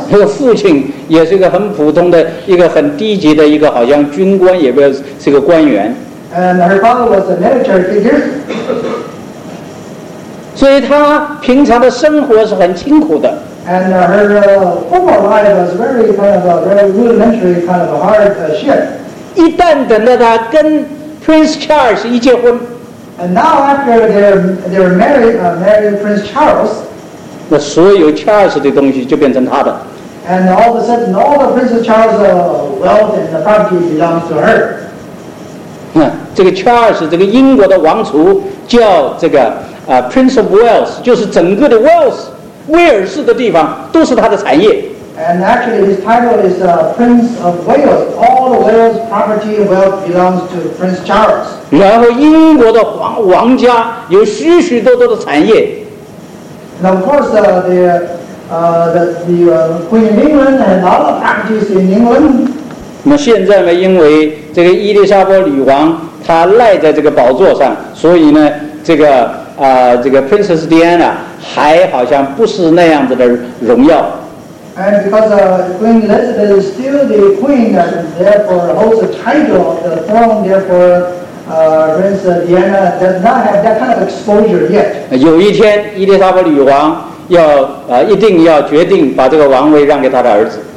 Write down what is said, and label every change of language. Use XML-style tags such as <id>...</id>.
<zh>她的父亲也是一个很普通的一个很低级的一个好像军官，也不是是个官员。</zh> <en>And her father was a military figure.</en> <zh>所以她平常的生活是很清苦的。</zh> <en>And her former life was very kind of a very rudimentary kind of a hard shit.</en> <zh>一旦等到她跟 Prince Charles 一结婚</zh> <en>，And now after they're married Prince Charles，</en> <zh>那所有 Charles 的东西就变成她的。</zh> <en>And all of a sudden, all the Prince Charles' wealth and the property belongs to her.</en> <zh>这个 Charles 这个英国的王储叫这个Prince of Wales， 就是整个的 Wales 威尔士的地方都是他的产业。</zh> <en>And actually his title is Prince of Wales. All Wales property wealth belongs to Prince Charles.</en> <zh>然后英国的王家有许许多多的产业。</zh> <en>And of course the Queen of England and all the properties in England.</en> <zh>那么现在呢，因为这个伊丽莎白女王她赖在这个宝座上，所以呢这个这个 Princess Diana 还好像不是那样子的荣耀。</zh> <en>And because Queen Elizabeth is still the queen, and therefore holds the title of the throne, therefore Princess Diana does not have that kind of exposure yet.</en> <zh>有一天，伊丽莎白女王要一定要决定把这个王位让给她的儿子。</zh>